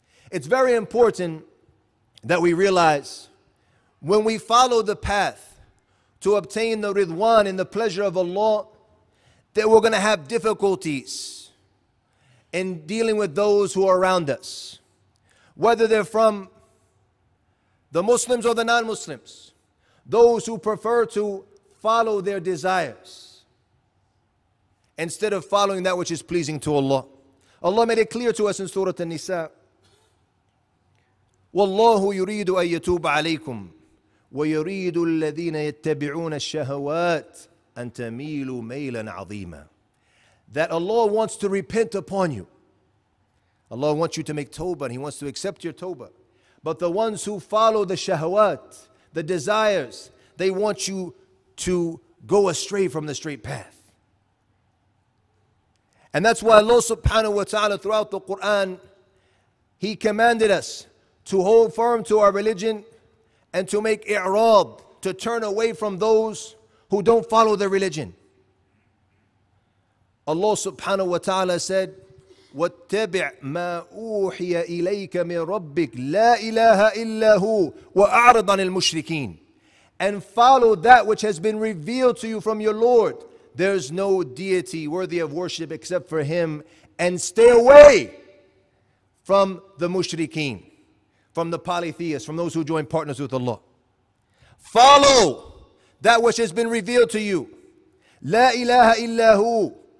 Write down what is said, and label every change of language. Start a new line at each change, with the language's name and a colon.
English: It's very important that we realize when we follow the path to obtain the ridwan and the pleasure of Allah, that we're going to have difficulties in dealing with those who are around us, whether they're from the Muslims or the non-Muslims, those who prefer to follow their desires instead of following that which is pleasing to Allah. Allah made it clear to us in Surah An-Nisa,
Arabic: وَاللَّهُ يُرِيدُ أَن يَتُوبَ عَلَيْكُمْ ويريد الذين يتبعون الشهوات أن تميلوا ميلا عظيما.
English: That Allah wants to repent upon you. Allah wants you to make tawbah, and He wants to accept your tawbah. But the ones who follow the shahwat, the desires, they want you to go astray from the straight path. And that's why Allah subhanahu wa ta'ala throughout the Quran, He commanded us to hold firm to our religion and to make i'rab, to turn away from those who don't follow their religion. Allah subhanahu wa ta'ala said,
Arabic: وَاتَّبِعْ مَا أُوحِيَ إِلَيْكَ مِنْ رَبِّكَ لَا إِلَهَ إِلَّا هُوَ وَأَعْرِضْ عَنِ الْمُشْرِكِينَ.
English: And follow that which has been revealed to you from your Lord. There's no deity worthy of worship except for Him. And stay away from the mushrikeen, from the polytheists, from those who join partners with Allah. Follow that which has been revealed to you.
Arabic: La ilaha illa hu.